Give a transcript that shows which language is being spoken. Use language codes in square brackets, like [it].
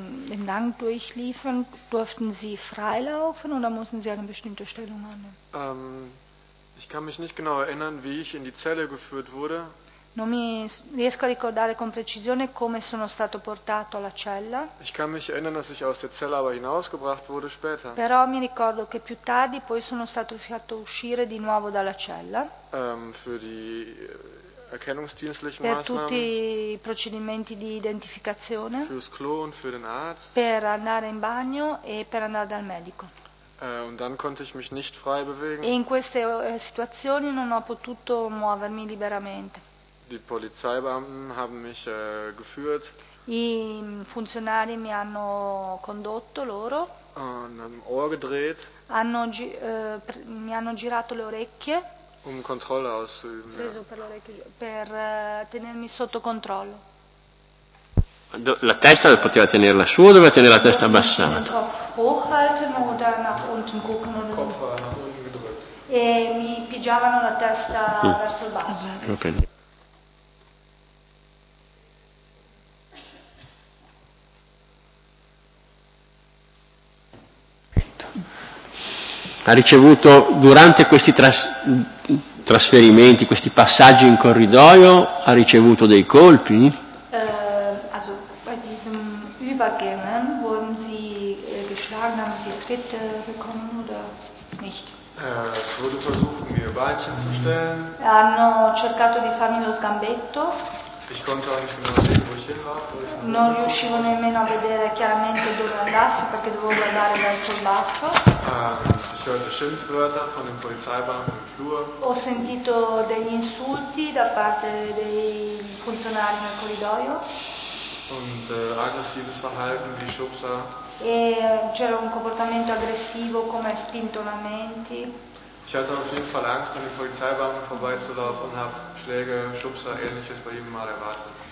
[de] Im Gang durchliefen, durften Sie freilaufen oder mussten Sie eine bestimmte Stellung annehmen? Ich kann mich nicht genau erinnern, wie ich in die Zelle geführt wurde. [it] Non mi riesco a ricordare con precisione come sono stato portato alla cella. [de] Ich kann mich erinnern, dass ich aus der Zelle aber hinausgebracht wurde später. [it] Però mi ricordo che più tardi poi sono stato fatto uscire di nuovo dalla cella. [de] Für die erkennungsdienstlichen [it] per [de] Maßnahmen. [it] Tutti i procedimenti di identificazione. [de] Fürs Klo und für den Arzt. [it] Per andare in bagno e per andare dal medico. [de] Und dann konnte ich mich nicht frei bewegen. [it] E in queste situazioni non ho potuto muovermi liberamente. [de] Die Polizeibeamten haben mich geführt. [it] I funzionari mi hanno condotto loro. [de] Und am Ohr gedreht. [it] Mi hanno girato le orecchie. [de] Um Kontrolle auszuüben. [it] Preso per l'orecchio, per tenermi sotto controllo. La testa poteva tenerla su o doveva tenere la testa abbassata? [de] Hochhalten oder nach unten gucken oder Kopf nach unten. [it] E mi pigiavano la testa verso il basso. Okay. Ha ricevuto durante questi trasferimenti, questi passaggi in corridoio, ha ricevuto dei colpi? [de] Also bei diesem Übergängen wurden sie geschlagen, haben sie Tritte bekommen oder nicht? Es wurde versucht, mir Beinchen zu stellen. [it] Hanno cercato di farmi lo sgambetto. [de] Ich konnte auch nicht genau sehen, wo ich hin war. [it] Non riuscivo nemmeno a vedere chiaramente dove andassi, perché dovevo guardare verso il basso. [de] Ich hörte Schimpfwörter von den Polizeibeamten im Flur. [it] Ho sentito degli insulti da parte dei funzionari nel corridoio. [de] Und aggressives Verhalten wie Schubser. [it] E c'era un comportamento aggressivo come spintonamenti. [de] Ich hatte auf jeden Fall Angst, an den Polizeibeamten vorbeizulaufen und habe Schläge, Schubser, ähnliches bei jedem Mal erwartet.